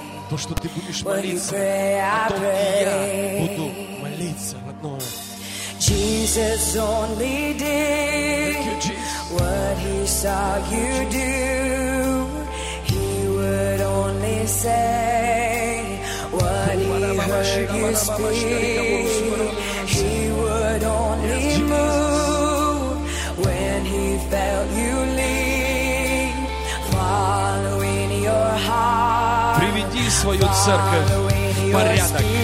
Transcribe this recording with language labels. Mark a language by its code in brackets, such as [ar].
[ru] То, что ты будешь молиться, о том, и я буду молиться в одно. [en] Jesus only did what He saw you do. He would only say what He heard you speak. He would only move when He felt you lean, following your heart. [ru] Приведи свою церковь в порядок.